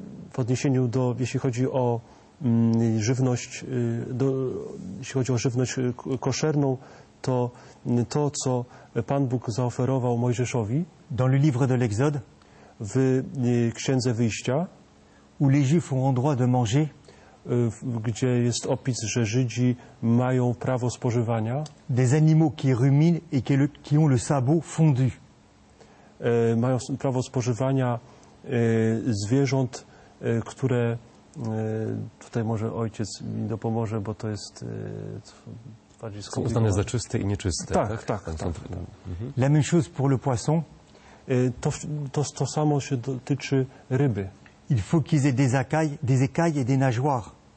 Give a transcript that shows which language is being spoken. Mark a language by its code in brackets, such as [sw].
[pl] W odniesieniu do, jeśli chodzi o żywność, jeśli chodzi o żywność koszerną, to co Pan Bóg zaoferował Mojżeszowi. [fr] Dans le livre de l'Exode. [pl] W Księdze Wyjścia. [fr] Où les Juifs ont droit de manger. [pl] Gdzie jest opis, że Żydzi mają prawo spożywania. [fr] Des animaux qui ruminent et qui ont le sabot fondu. [pl] Mają prawo spożywania zwierząt, które tutaj może ojciec mi dopomoże, bo to jest bardziej skomplikowane. Są uznane za czyste i nieczyste. Tak. [fr] La même chose pour le poisson. [pl] To samo się dotyczy ryby. [fr] Il faut qu'ils aient des écailles et des nageoires.